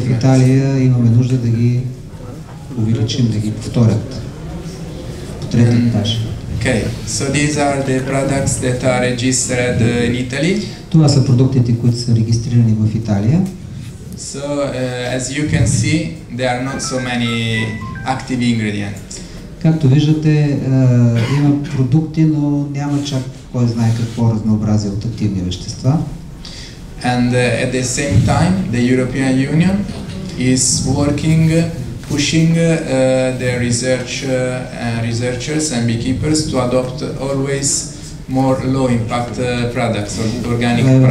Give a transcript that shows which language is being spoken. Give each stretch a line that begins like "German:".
Bulgarian: В Италия имаме нужда да ги увеличим, да ги повторят по третия етаж.
English: Okay, so these are the products that are registered in Italy.
Bulgarian: Това са продуктите, които са регистрирани в Италия.
English: So, as you can see, there are not so many active ingredients.
Bulgarian: Както виждате, има продукти, но няма чак кой знае какво разнообразие от активни вещества.
English: And at the same time, the European Union is working pushing the researchers and beekeepers to adopt always more low impact products or organic products.